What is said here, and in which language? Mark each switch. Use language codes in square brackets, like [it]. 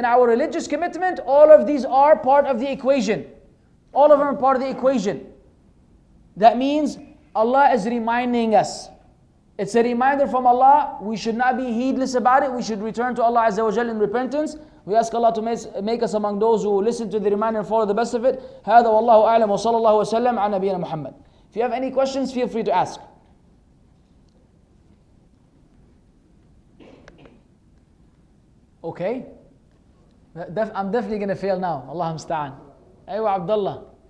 [en] In our religious commitment, all of these are part of the equation. All of them are part of the equation. That means Allah is reminding us. It's a reminder from Allah. We should not be heedless about it. We should return to Allah Azza wa Jalla in repentance. We ask Allah to make us among those who listen to the reminder and follow the best of it. [ar] هذا والله أعلم وصلى الله وسلم على نبينا محمد. [en] If you have any questions, feel free to ask. Okay. I'm definitely going to fail now. [ar] Allah musta'an. [en] Aywa Abdullah.